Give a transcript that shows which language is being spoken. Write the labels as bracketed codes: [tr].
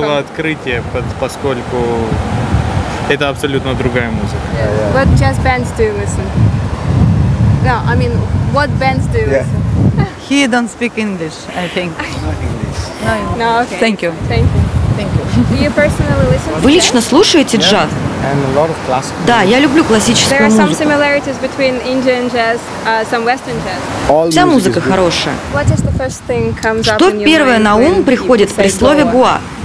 [ru] Было открытие, поскольку это абсолютно другая музыка. [en] Yeah. What jazz bands do you listen? No, I mean, what bands do you listen? He don't speak English, I think. No English. No, okay. Thank you. Thank you. Do you personally listen? [ru] Вы лично слушаете джаз? [en] And a lot of classical. [ru] Да, я люблю классическую музыку. [en] There are some similarities between Indian jazz, some Western jazz. [ru] Вся музыка хорошая. [en] What is the first thing comes [ru] что [en] up [ru] первое на ум приходит при слове ГОА?